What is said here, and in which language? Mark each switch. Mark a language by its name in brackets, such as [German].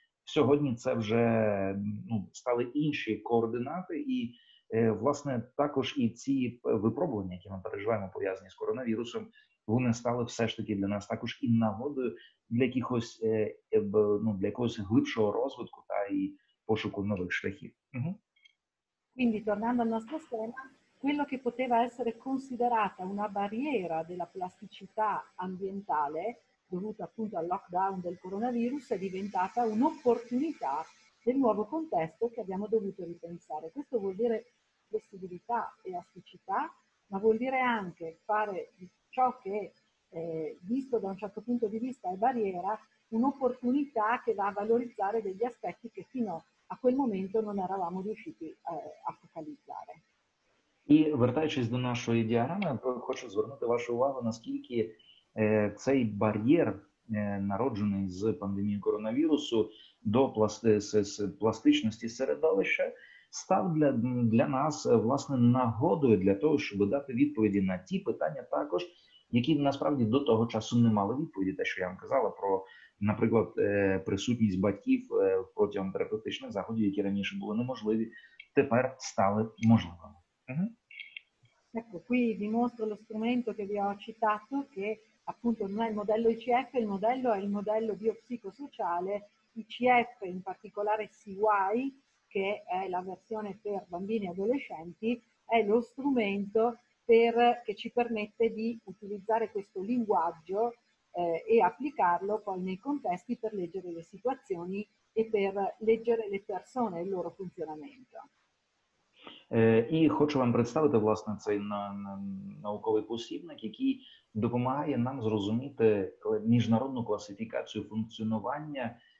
[Ukrainian] Сьогодні це вже стали інші координати, і власне також і ці випробування, які ми переживаємо, пов'язані з коронавірусом, вони стали все ж таки для нас також і нагодою для якихось для якогось глибшого розвитку та і пошуку нових шляхів. [Italian] Quindi, tornando al nostro schema, quello che poteva essere considerata una barriera della plasticità ambientale, dovuta appunto al lockdown del coronavirus, è diventata un'opportunità del nuovo contesto che abbiamo dovuto ripensare. Questo vuol dire flessibilità, elasticità, ma vuol dire anche fare ciò che, visto da un certo punto di vista, è barriera, un'opportunità che va a valorizzare degli aspetti che fino a quel momento non eravamo riusciti a focalizzare. [Ukrainian] І вертаючись до нашої діаграми, хочу звернути вашу увагу, наскільки цей бар'єр, народжений з пандемії коронавірусу, до пластичності середовища, став для нас, власне, нагодою для того, щоб дати відповіді на ті питання також, які насправді до того часу не мали відповіді, те, що я вам казала про, наприклад, присутність батьків протягом терапевтичних заходів, які раніше були неможливі, тепер стали можливими. [Italian] Ecco, qui vi mostro lo strumento che vi ho citato, che appunto non è il modello ICF, il modello è il modello biopsicosociale, ICF in particolare CY, che è la versione per bambini e adolescenti, è lo strumento che ci permette di utilizzare questo linguaggio e applicarlo poi nei contesti per leggere le situazioni e per leggere le persone e il loro funzionamento. [Ukrainian] І хочу вам представити, власне, цей науковий посібник, який допомагає нам зрозуміти міжнародну класифікацію функціонування